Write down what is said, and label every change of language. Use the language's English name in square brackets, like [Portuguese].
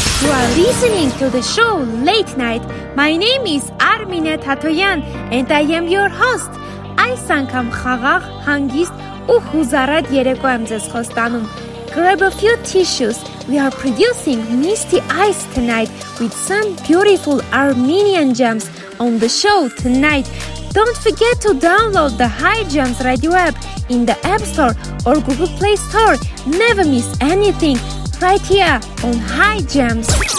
[English] You are listening to the show Late Night. My name is Armine Tatoyan, and I am your host. [Armenian] Այս անգամ խաղաղ, հանգիստ ու հուզառատ երեկո եմ ձեզ խոստանում. [English] Grab a few tissues. We are producing misty eyes tonight with some beautiful Armenian gems on the show tonight. Don't forget to download the High Gems Radio app in the App Store or Google Play Store. Never miss anything right here on High Gems.